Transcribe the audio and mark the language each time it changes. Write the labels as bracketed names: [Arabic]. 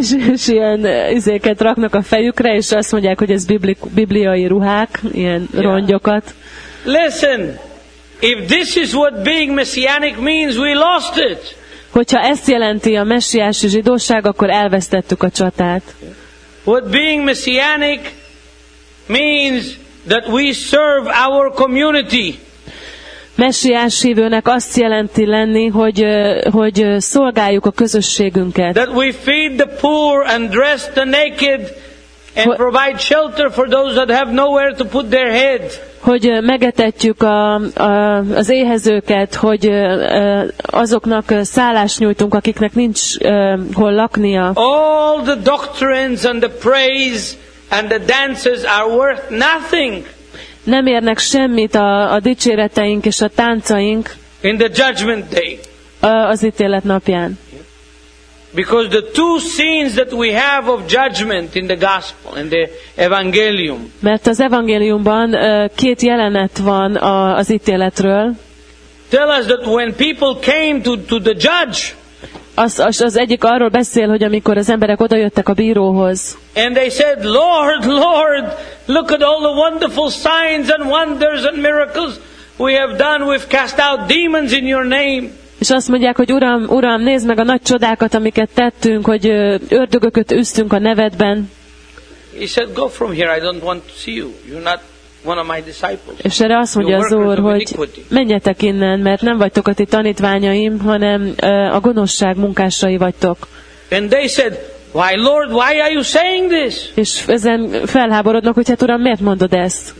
[Hungarian] És ilyen izéket raknak a fejükre, és azt mondják, hogy ez bibliai ruhák, ilyen rongyokat. [English] Listen! If this is what being messianic means, we lost it. [Hungarian] Hogyha ezt jelenti a messiási zsidóság, akkor elvesztettük a csatát. [English] What being messianic means that we serve our community. [Hungarian] Messiás hívőnek azt jelenti lenni, hogy szolgáljuk a közösségünket. [English] That we feed the poor and dress the naked and provide shelter for those that have nowhere to put their head. [Hungarian] Hogy megetetjük az éhezőket, hogy azoknak szállást nyújtunk, akiknek nincs hol laknia. [English] All the doctrines and the praise and the dances are worth nothing. [Hungarian] Nem érnek semmit a dicséreteink és a táncaink. [English] In the judgment day. [Hungarian] Az ítélet napján. [English] Because the two scenes that we have of judgment in the gospel, in the evangelium. [Hungarian] Mert az evangéliumban két jelenet van az ítéletről. [English] Tell us that when people came to the judge. [Hungarian] Az egyik arról beszél, hogy amikor az emberek odajöttek a bíróhoz. [English] And they said, Lord, Lord, look at all the wonderful signs and wonders and miracles we have done. We've cast out demons in your name. [Hungarian] És azt mondják, hogy Uram, nézd meg a nagy csodákat, amiket tettünk, hogy ördögököt üsztünk a nevedben. [English] He said, go from here, I don't want to see you. You're not one of my disciples. [Hungarian] És erre azt mondja az Úr, hogy menjetek innen, mert nem vagytok a ti tanítványaim, hanem a gonoszság munkásai vagytok. [English] And they said, why, Lord, why are you saying this? [Hungarian] És ezen felháborodnak, hogy hát Uram, miért mondod ezt?